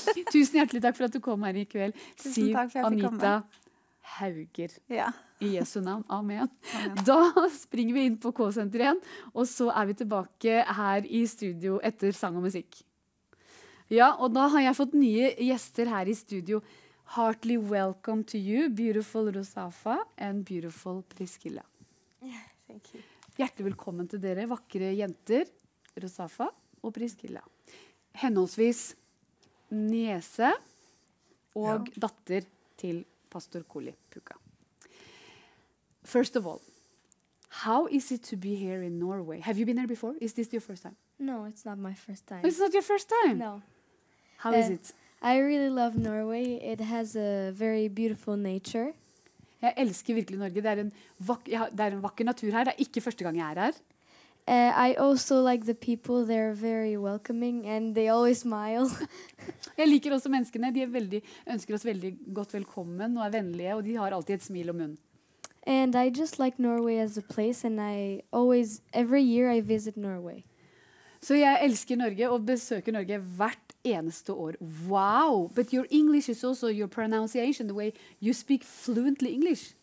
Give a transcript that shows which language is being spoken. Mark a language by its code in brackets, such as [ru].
[no] Tusen hjertelig takk for at du kom her i kveld. Tusen takk for at jeg fikk komme. Hauger. Ja. I Jesu navn. Amen. Amen. Da springer vi inn på K-senter igjen, og så er vi tilbake her i studio etter sang og musikk. Ja, og da har jeg fått nye gjester her i studio. [en] Heartly welcome to you, beautiful Rosafa and beautiful Priscilla. Yeah, thank you. [no] Hjertelig velkommen til dere, vakre jenter, Rosafa og Priscilla. Henholdsvis niese og datter til pastor Koli Puka. [en] First of all, how is it to be here in Norway? Have you been here before? Is this your first time? No, it's not my first time. It's not your first time? No. How is it? I really love Norway. It has a very beautiful nature. [no] Jeg elsker virkelig Norge. Det er en vakker natur her. Det er ikke første gang jeg er her. [en] I also like the people. They're very welcoming and they always smile. [no] Jeg liker også menneskene. De er veldig, ønsker oss veldig godt velkommen og er vennlige, og de har alltid et smil om munnen. [en] And I just like Norway as a place and I always, every year I visit Norway. [no] Så jeg elsker Norge og besøker Norge hvert eneste år. [en] Wow! But your English is also your pronunciation, the way you speak fluently English.